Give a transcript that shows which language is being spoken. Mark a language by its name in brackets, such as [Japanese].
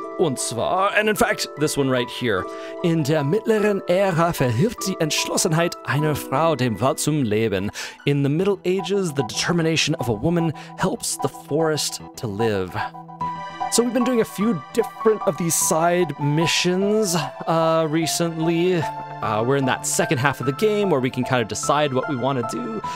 [German] Und zwar, [English] and in fact, this one right here. [German] In der mittleren Ära verhilft die Entschlossenheit einer Frau dem Wald zum Leben. [English] In the Middle Ages, the determination of a woman helps the forest to live. So we've been doing a few different of these side missions recently. We're in that second half of the game where we can kind of decide what we want to do.